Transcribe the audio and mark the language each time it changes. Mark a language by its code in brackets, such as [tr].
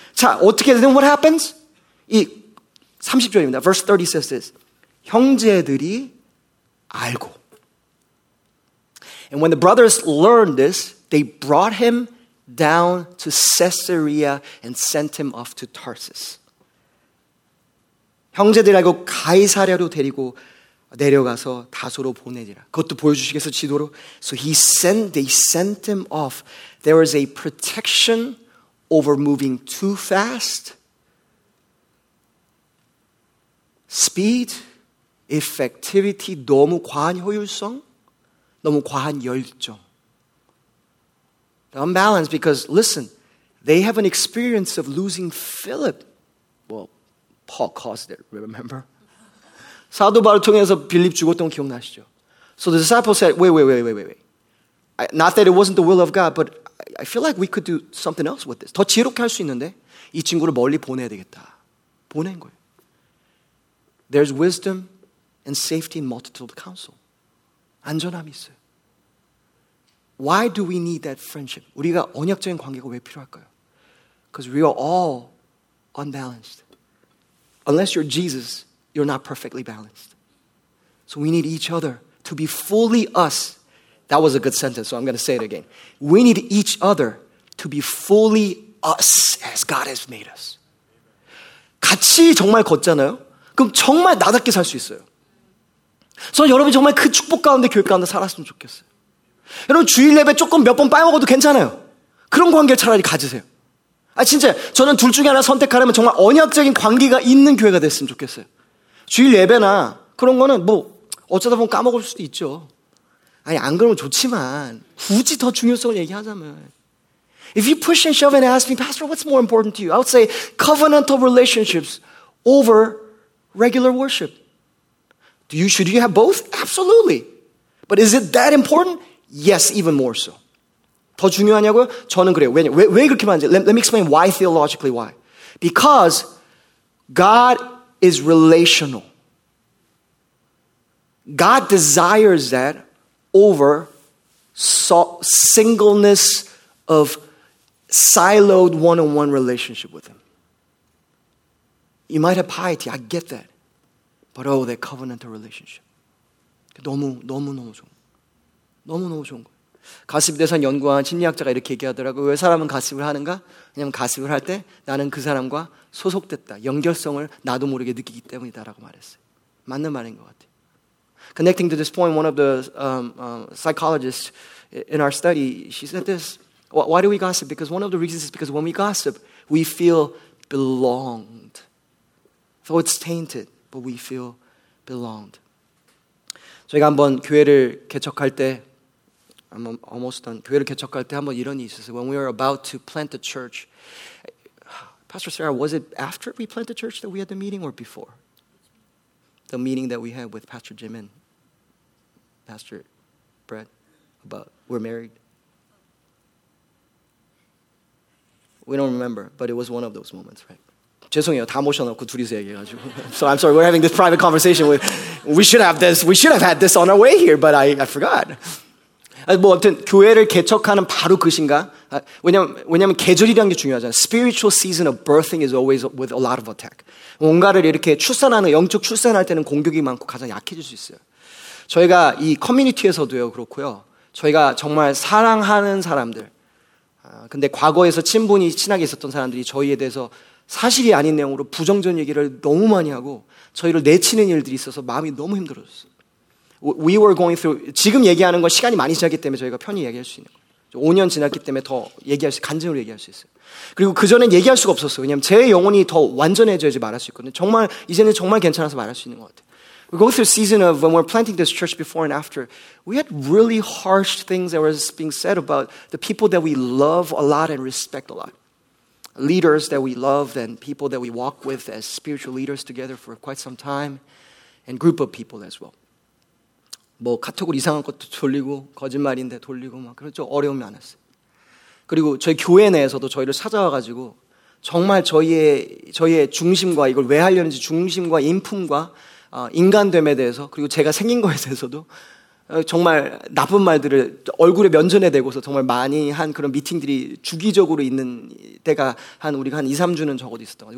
[ko] 자, 어떻게 되면 [en] what happens? [ko] 이 30절입니다. [en] Verse 30 says this. [ko] 형제들이 알고. [en] And when the brothers learned this, they brought him down to Caesarea and sent him off to Tarsus. [ko] 형제들이 알고 가이사랴로 데리고 내려가서 다소로 보내지라. 그것도 보여주시겠어, 지도로? [en] So they sent him off. There is a protection over moving too fast. Speed, effectivity, [ko] 너무 과한 효율성, 너무 과한 열정. [en] The unbalance, because listen, they have an experience of losing Philip. Well, Paul caused it, remember? [ko] 사도 바울 통해서 빌립 죽었던 거 기억나시죠? [en] So the disciples said, wait. Not that it wasn't the will of God, but I feel like we could do something else with this. [ko] 더 지혜롭게 할 수 있는데 이 친구를 멀리 보내야 되겠다. 보낸 거예요. [en] There's wisdom and safety in multitude of counsel. [ko] 안전함이 있어요. [en] Why do we need that friendship? [ko] 우리가 언약적인 관계가 왜 필요할까요? [en] Because we are all unbalanced. Unless you're Jesus, you're not perfectly balanced. So we need each other to be fully us. That was a good sentence, so I'm going to say it again. We need each other to be fully us as God has made us. [ko] 같이 정말 걷잖아요? 그럼 정말 나답게 살 수 있어요. 저는 여러분 정말 그 축복 가운데 교회 가운데 살았으면 좋겠어요. 여러분 주일 예배 조금 몇 번 빠먹어도 괜찮아요. 그런 관계를 차라리 가지세요. 아 진짜 저는 둘 중에 하나 선택하려면 정말 언약적인 관계가 있는 교회가 됐으면 좋겠어요. 주일 예배나 그런 거는 뭐 어쩌다 보면 까먹을 수도 있죠. 아니 안 그러면 좋지만 굳이 더 중요성을 얘기하자면 [en] If you push and shove and ask me, Pastor, what's more important to you? I would say covenantal relationships over regular worship. Should you have both? Absolutely. But is it that important? Yes, even more so. [ko] 더 중요하냐고요? 저는 그래요. 왜 그렇게 말하는지. [en] Let me explain why theologically why. Because God is relational. God desires that over singleness of siloed one-on-one relationship with him. You might have piety, I get that. But oh, that covenantal relationship. [ko] 너무, 너무, 너무 좋은 거. 너무, 너무 좋은 거. 가십 대상 연구한 심리학자가 이렇게 얘기하더라고. 왜 사람은 가십을 하는가? 왜냐면 가십을 할 때 나는 그 사람과 소속됐다. 연결성을 나도 모르게 느끼기 때문이다라고 말했어요. 맞는 말인 것 같아요. [en] Connecting to this point, one of the psychologists in our study, she said this. Why do we gossip? Because one of the reasons is because when we gossip, we feel belonged. Though it's tainted, but we feel belonged. [ko] 저희가 한번 교회를 개척할 때 [en] I'm almost done. [ko] 교회를 개척할 때 한번 이런 일이 있었어요. [en] When we were about to plant the church, Pastor Sarah, was it after we planted the church that we had the meeting or before? The meeting that we had with Pastor Jim and Pastor Brett about we're married. We don't remember, but it was one of those moments, right? [ko] 죄송해요. 다 모셔놓고 둘이서 얘기해가지고. [en] So I'm sorry, we're having this private conversation with, we should have had this on our way here, but I forgot. [ko] 뭐 아무튼 교회를 개척하는 바로 그 신가? 왜냐면 계절이라는 게 중요하잖아요. [en] Spiritual season of birthing is always with a lot of attack. [ko] 뭔가를 이렇게 출산하는 영적 출산할 때는 공격이 많고 가장 약해질 수 있어요. 저희가 이 커뮤니티에서도요 그렇고요. 저희가 정말 사랑하는 사람들. 근데 과거에서 친분이 친하게 있었던 사람들이 저희에 대해서 사실이 아닌 내용으로 부정적인 얘기를 너무 많이 하고 저희를 내치는 일들이 있어서 마음이 너무 힘들었어요. [en] We were going through, [ko] 지금 얘기하는 건 시간이 많이 지났기 때문에 저희가 편히 얘기할 수 있는 거예요. 5년 지났기 때문에 더 얘기할 수, 간증으로 얘기할 수 있어요. 그리고 그전엔 얘기할 수가 없었어요. 왜냐하면 제 영혼이 더 완전해져야지 말할 수 있거든요. 정말, 이제는 정말 괜찮아서 말할 수 있는 것 같아요. [en] We go through a season of when we're planting this church before and after, we had really harsh things that were being said about the people that we love a lot and respect a lot. Leaders that we love and people that we walk with as spiritual leaders together for quite some time and group of people as well. [ko] 뭐 카톡으로 이상한 것도 돌리고 거짓말인데 돌리고 막 그런 좀 어려움이 많았어요. 그리고 저희 교회 내에서도 저희를 찾아와가지고 정말 저희의 중심과 이걸 왜 하려는지 중심과 인품과 인간됨에 대해서 그리고 제가 생긴 거에 대해서도 정말 나쁜 말들을 얼굴에 면전에 대고서 정말 많이 한 그런 미팅들이 주기적으로 있는 때가 한 우리가 한 2, 3주는 적어도 있었던 것 같아요.